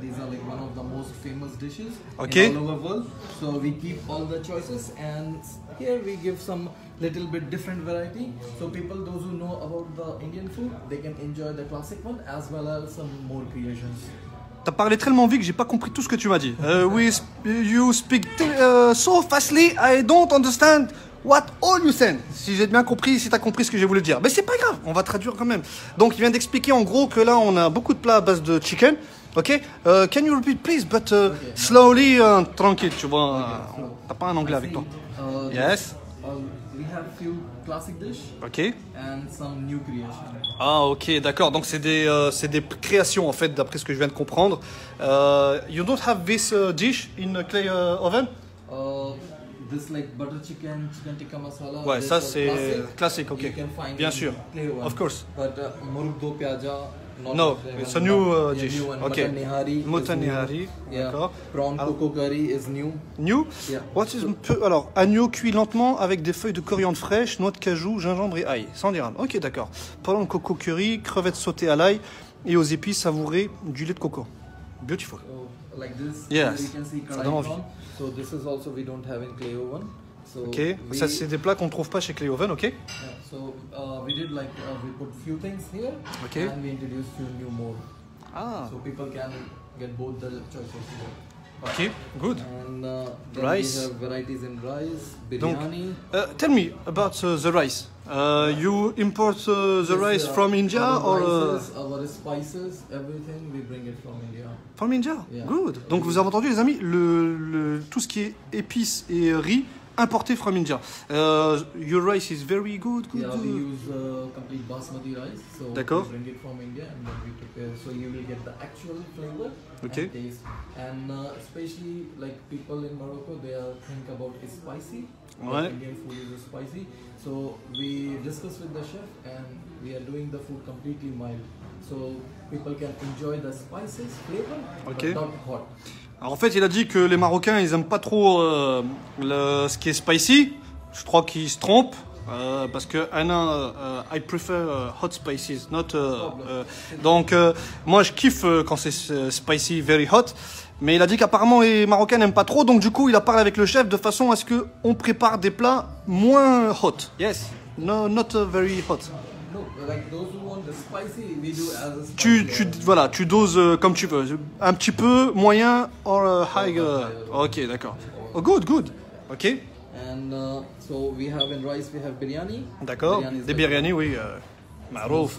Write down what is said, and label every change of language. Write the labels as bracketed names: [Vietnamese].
[English] These are like one of the most famous dishes okay. in all over the world. So we keep all the choices and here we give some little bit different variety. So people, those who know about the Indian food, they can enjoy the classic one as well as some more creations. [French] T'as parlé tellement vite que j'ai pas compris tout ce que tu m'as dit. [English] you speak so fastly, I don't understand. What all you said? [French] Si j'ai bien compris, si t'as compris ce que j'ai voulu dire. Mais c'est pas grave, on va traduire quand même. Donc il vient d'expliquer en gros que là on a beaucoup de plats à base de chicken. [English] Ok, can you repeat please, but okay, slowly, [French] tranquille, tu vois. [English] Okay, so, [French] t'as pas un anglais [English] I [French] avec [English] see, [French] toi. Yes. [English] We have few classic dishes. Ok. And some new creations. [French] Ah ok, d'accord. Donc c'est des créations en fait, d'après ce que je viens de comprendre. [English] You don't have this dish in a clay oven? This like butter chicken, chicken tikka masala. [French] Ouais, ça c'est classique, ok. [English] You can find [French] bien sûr, [English] clay one. Of course. But murugdo pyaja, No, it's a new dish. Okay. Mutton nihari. Prawn coco curry is new. New? Yeah. What is [French] alors agneau cuit lentement avec des feuilles de coriandre fraîche, noix de cajou, gingembre et ail. Sans dire. Ok, d'accord. Prawn coco curry, crevettes sautées à l'ail et aux épices savourées du lait de coco. [English] Beautiful. Like this. Yes. [French] Ça donne envie. [English] So this is also we don't have in Cléo one. So okay, we, [French] ça c'est des plats qu'on trouve pas chez Cléoven, ok? [English] Yeah. So we did like we put few things here, okay, and we introduced few new more. Ah. So people can get both the choices here. Okay, good. And then rice. We have varieties in rice, biryani. Donc, tell me about the rice. You import the rice from India our rices, our spices, everything we bring it from India. From India, yeah. Good. [French] Donc vous avez entendu les amis, le tout ce qui est épices et riz. [English] Importé from India. Your rice is very good. Yeah, we use complete basmati rice. So [French] d'accord. [English] We bring it from India and then we prepare. So you will get the actual flavor, okay, and taste. And especially like people in Morocco, they think about it spicy. [French] Ouais. [English] Indian food is spicy. So we discuss with the chef and we are doing the food completely mild. So people can enjoy the spices flavor, okay, but not hot. [French] Alors en fait, il a dit que les Marocains, ils aiment pas trop ce qui est spicy. Je crois qu'il se trompe parce que Anna, [English] I prefer hot spices, not. [French] Donc moi, je kiffe quand c'est spicy, [English] very hot. [French] Mais il a dit qu'apparemment les Marocains n'aiment pas trop. Donc du coup, il a parlé avec le chef de façon à ce que on prépare des plats moins hot. [English] Yes. No, not very hot. Like those who want the spicy, we do as [French] voilà, tu doses comme tu veux. Un petit peu, moyen, [English] or high. [French] Ok, d'accord. [English] Oh, good, good. [French] Ok. [English] And so we have in rice, we have biryani. [French] D'accord. Des biryani, oui. Marouf.